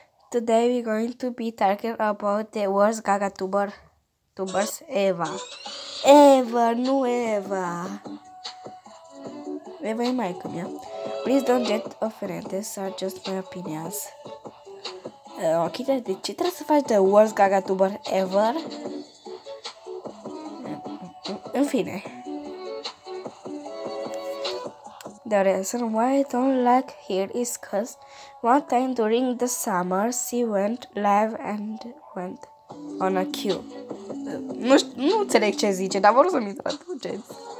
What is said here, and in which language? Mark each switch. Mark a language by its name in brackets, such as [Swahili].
[English] Today we're going to be talking about the worst Gaga tubers ever. [Romanian] Ever, nu Eva. Eva e mai cum ea. [English] Please don't get offended, these are just my opinions. [Romanian] Ok, dar de ce trebuie să faci [English] the worst Gaga tuber ever? [Romanian] În fine. [English] The reason why I don't like her is cause one time during the summer she went live and went on a queue. [Romanian] Nu înțeleg ce zice, dar vreau să-mi traduceți.